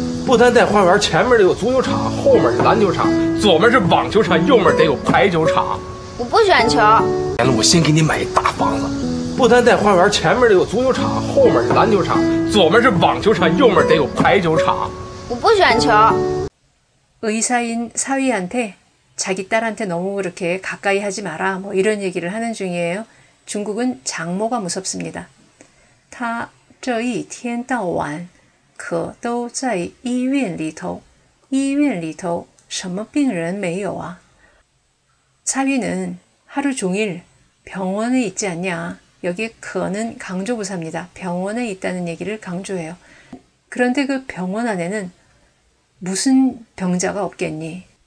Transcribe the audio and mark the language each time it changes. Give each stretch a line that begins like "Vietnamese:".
Chinese: 不单带花园，前面得有足球场，后面是篮球场，左面是网球场，右面得有排球场。我不喜欢球。我先给你买一大房子。不单带花园，前面得有足球场，后面是篮球场，左面是网球场，右面得有排球场。我不喜欢球。
Korean: 의사인사위한테 자기 딸한테 너무 그렇게 가까이 하지 마라 뭐 이런 얘기를 하는 중이에요. 중국은 장모가 무섭습니다.
Chinese: 他这一天到晚可都在医院里头，医院里头什么病人没有啊？
Korean: 차위는 하루 종일 병원에 있지 않냐. 여기 可는 강조부사입니다. 병원에 있다는 얘기를 강조해요. 그런데 그 병원 안에는 무슨 병자가 없겠니?